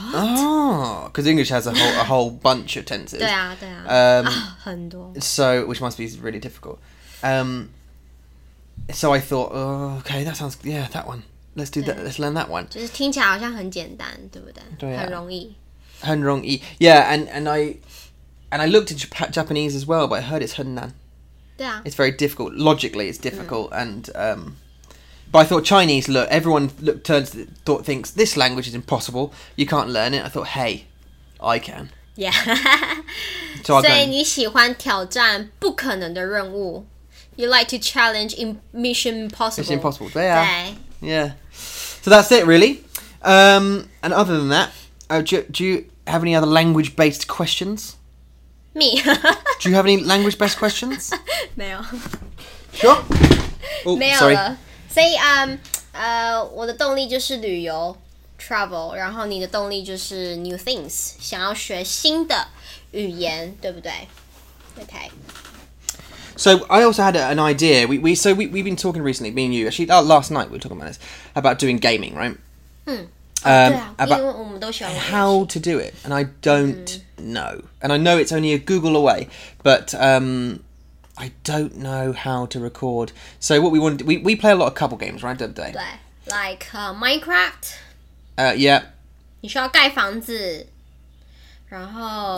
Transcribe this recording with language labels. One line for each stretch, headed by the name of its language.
English: Oh, because English has a whole bunch of tenses.
Chinese: 对啊，对啊。
English: So, which must be really difficult. So I thought, oh, okay, that sounds yeah, that one. Let's do that. Let's learn that one.
Chinese: 就是听起来好像很简单，对不对？对啊。很容易。很容易。
English: Yeah, and I looked at Japanese as well, but I heard it's
Chinese: 很难。对啊。
English: It's very difficult. Logically, it's difficult, and. But I thought Chinese, look, everyone thinks this language is impossible. You can't learn it. I thought, hey, I can. Yeah. So, so you
Chinese: 喜欢挑战不可能的任务.
English: You like to challenge Mission Impossible. Mission Impossible. Yeah. Yeah. So that's it, really. And other than that, do you have any other language-based questions? Me. Do you have any language-based questions?
Chinese: 没有.
English: Sure. Oh,
Chinese: 没有了.
English: Sorry.
Chinese: 所以我的动力就是旅游
English: travel，
Chinese: 然后你的动力就是
English: new things，
Chinese: 想要学新的语言，对不对 ？
English: Okay. So I also had an idea. We've been talking recently, me and you. Actually, last night we were talking about this about doing gaming, right?
Chinese: 嗯，对啊，因为我们都喜欢玩游戏。
English: How to do it? And I don't know. And I know it's only a Google away, but I don't know how to record. So what we want to do, we play a lot of couple games, right, don't they? Like Minecraft. Yeah.
Chinese: 你需要盖房子，然后